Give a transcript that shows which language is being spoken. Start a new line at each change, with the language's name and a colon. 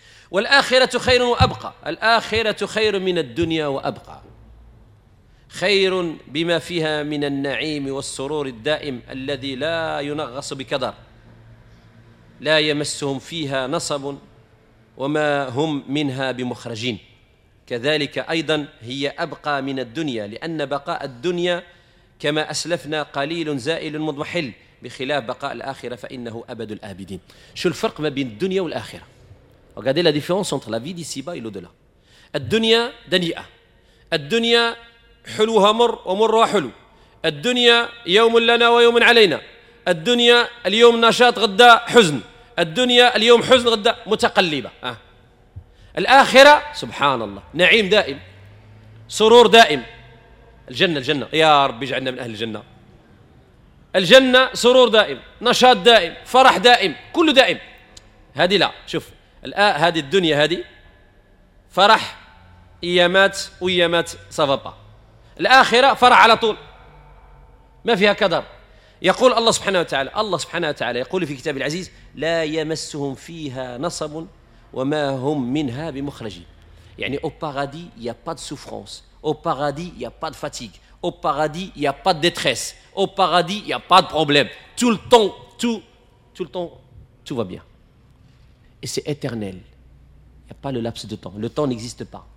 Arabic: والاخره خير وابقى، الاخره خير من الدنيا وابقى، خير بما فيها من النعيم والسرور الدائم الذي لا ينغص بكدر، لا يمسهم فيها نصب وما هم منها بمخرجين. كذلك أيضا هي أبقى من الدنيا، لأن بقاء الدنيا كما أسلفنا قليل زائل مضمحل، بخلاف بقاء الآخرة فإنه أبد الآبدين. شو الفرق ما بين الدنيا والآخرة؟
French: regardez la différence entre la vie d'ici-bas et l'au-delà.
Arabic: الدنيا دنيئة، الدنيا حلوها مر ومرها حلو، الدنيا يوم لنا ويوم علينا، الدنيا اليوم نشاط غدا حزن، الدنيا اليوم حزن غدا متقلبة. الآخرة سبحان الله نعيم دائم، سرور دائم، الجنة الجنة يا رب اجعلنا من أهل الجنة. الجنة سرور دائم، نشاط دائم، فرح دائم، كل دائم. هذه لا، شوف الآن هذه الدنيا هذه فرح أيامات وأيامات صفبا، الآخرة فرح على طول ما فيها كدر. يقول الله سبحانه وتعالى، الله سبحانه وتعالى يقول في كتاب العزيز: لا يمسهم فيها نصب وما هم منها بمخرجين. يعني
French: au paradis il y a pas de souffrance, au paradis il y a pas de fatigue, au paradis il y a pas de détresse, au paradis il y a pas de problème. Tout le temps tout va bien. Et c'est éternel. Il y a pas le laps de temps. Le temps n'existe pas.